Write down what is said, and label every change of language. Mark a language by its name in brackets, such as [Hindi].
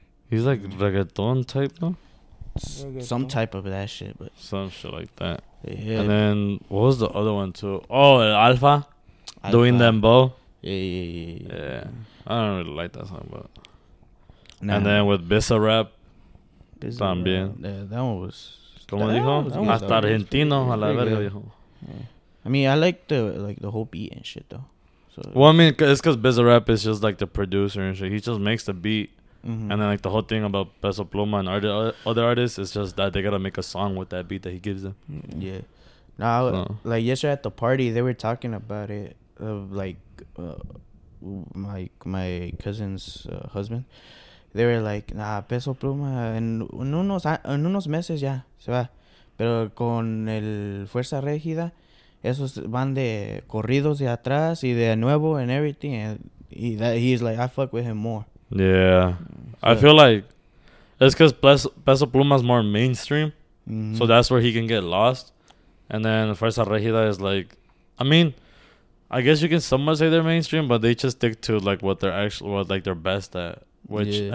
[English] He's, like, reggaeton type, though. Some type of that shit, but some shit like that. Yeah, and then what was the other one too? Oh, Alpha doing them both. Yeah. I don't really like that song, but nah. And then with Bizarrap, Bizarrap [Spanish] también. [English] Yeah, that one was. [Spanish] Como dijo, hasta argentino a la verga dijo. [English] I mean, I like the whole beat and shit though. So, well, I mean, it's because Bizarrap is just like the producer and shit. He just makes the beat. Mm-hmm. And then, like, the whole thing about Peso Pluma and other artists is just that they got to make a song with that beat that he gives them. Yeah. Now, so, like, yesterday at the party, they were talking about it. My cousin's husband. They were like, nah, [Spanish] Peso Pluma, en unos meses ya se va. Pero con el Fuerza Regida, esos van de corridos de atrás y de nuevo [English] and everything. And he's like, I fuck with him more. Yeah, so, I feel like it's because Peso Pluma is more mainstream, mm-hmm. so that's where he can get lost. And then Fuerza Regida is like, I mean, I guess you can somewhat say they're mainstream, but they just stick to like what they're actually they're best at. Which yeah.